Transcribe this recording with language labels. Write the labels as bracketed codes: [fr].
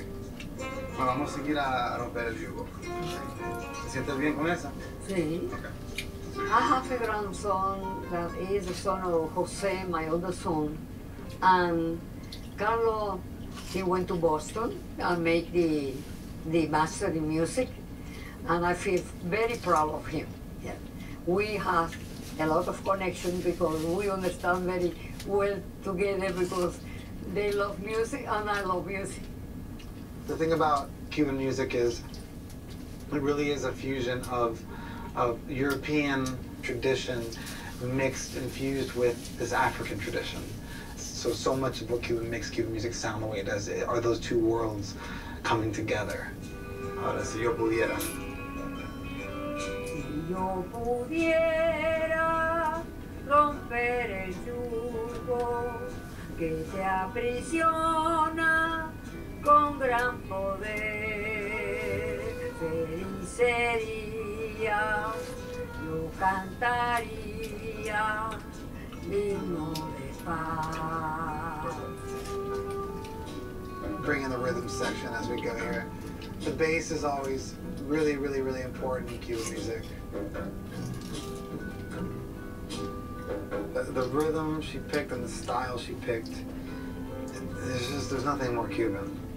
[es] Bueno, vamos a seguir a romper el yugo. ¿Te sientes bien con esa? [en] Sí. Okay. I have a grandson that is the son of Jose, my other son, and Carlos. He went to Boston and made the master in music, and I feel very proud of him. Yeah. We have a lot of connection because we understand very well together because they love music and I love music. The thing about Cuban music is it really is a fusion of European tradition mixed, infused with this African tradition. So much of what Cuban makes Cuban music sound the way it does it, are those two worlds coming together. [es] Ahora, si yo pudiera. Si yo pudiera romper el yugo que se aprisiona con gran poder, feliz sería, yo cantaría himno de paz. [en] Bring in the rhythm section as we go here. The bass is always really, really, really important in Cuban music. The rhythm she picked and the style she picked, there's nothing more Cuban.